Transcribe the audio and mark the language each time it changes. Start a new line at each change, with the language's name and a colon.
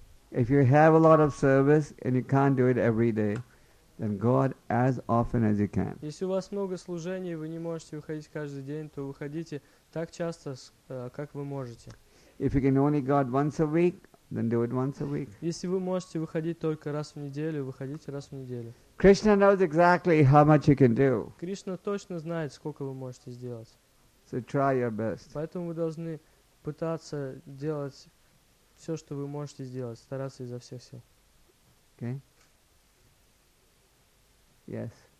English: If you have a lot of service and you can't do it every day, then go out as often as you can.
Russian: Если у вас много служений, вы не можете выходить каждый день, то выходите так часто, как вы можете.
English: If you can only go out once a week, then do it once a week.
Russian: Если вы можете выходить только раз в неделю, выходите раз в неделю.
English: Krishna knows exactly how much you can do.
Russian: Кришна точно знает, сколько вы можете сделать.
English: So try your best.
Russian: Поэтому вы должны пытаться делать все, что вы можете сделать, стараться изо всех сил. Okay. Yes.